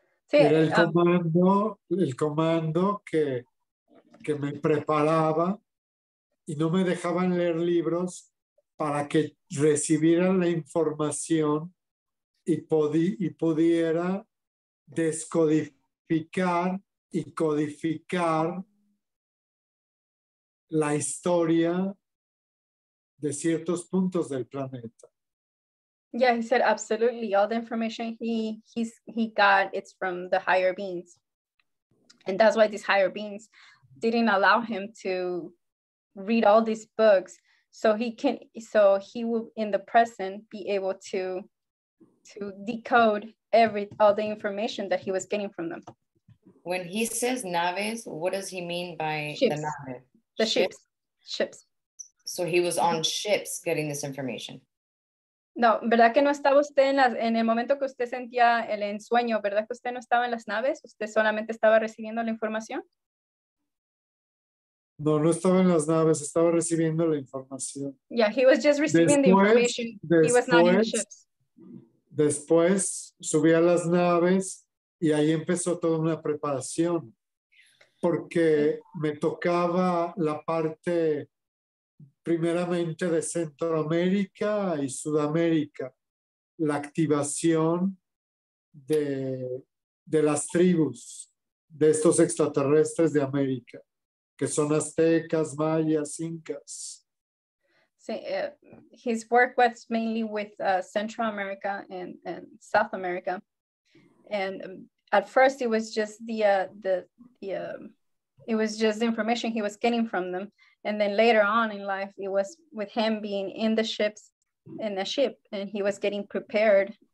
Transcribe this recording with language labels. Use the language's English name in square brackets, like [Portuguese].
[Spanish] Era el comando que me preparaba y no me dejaban leer libros para que recibiera la información y pudiera descodificar y codificar la historia de ciertos puntos del planeta. [English] Yeah, he said absolutely. All the information he got, it's from the higher beings. And that's why these higher beings didn't allow him to read all these books, so he will in the present be able to decode all the information that he was getting from them. When he says naves, what does he mean by ships. The nave? The ships. So he was on ships getting this information. [Spanish] No, ¿verdad que no estaba usted en el momento que usted sentía el ensueño? ¿Verdad que usted no estaba en las naves? ¿Usted solamente estaba recibiendo la información? No estaba en las naves, estaba recibiendo la información. [English] Yeah, he was just receiving the information. He was not in the ships. [Spanish] Después subí a las naves y ahí empezó toda una preparación. Porque me tocaba la parte primeramente de Centroamérica y Sudamérica, la activación de las tribus de estos extraterrestres de América, que son aztecas, mayas, incas. [English] Sí, his work was mainly with Central America and South America. And at first it was just the information he was getting from them. And then later on in life, it was with him being in the ship, and he was getting prepared.